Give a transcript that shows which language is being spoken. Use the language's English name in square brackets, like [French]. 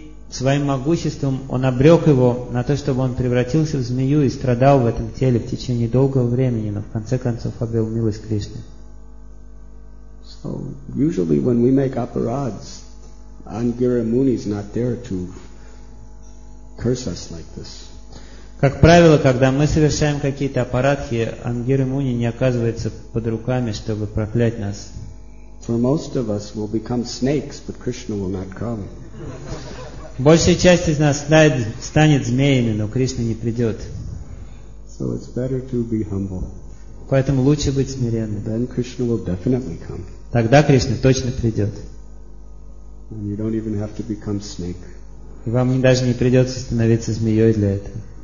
[Russian] Своим могуществом он обрек его на то, чтобы он превратился в змею и страдал в этом теле в течение долгого времени, но в конце концов обрел милость Кришны. [English] So usually when we make aparads, Angira Muni is not there to curse us like this. [Russian] Как правило, когда мы совершаем какие-то аппаратхи, Ангира Муни не оказывается под руками, чтобы проклять нас. [English] For most of us will become snakes, but Krishna will not come. [Russian] Большая часть из нас станет змеями, но Кришна не придет. [English] So it's better to be humble. [Russian] Поэтому лучше быть смиренным. [English] Then Krishna will definitely come. [Russian] Тогда Кришна точно придет. [English] And you don't even have to become snake. [Russian] И вам даже не придется становиться змеей для этого.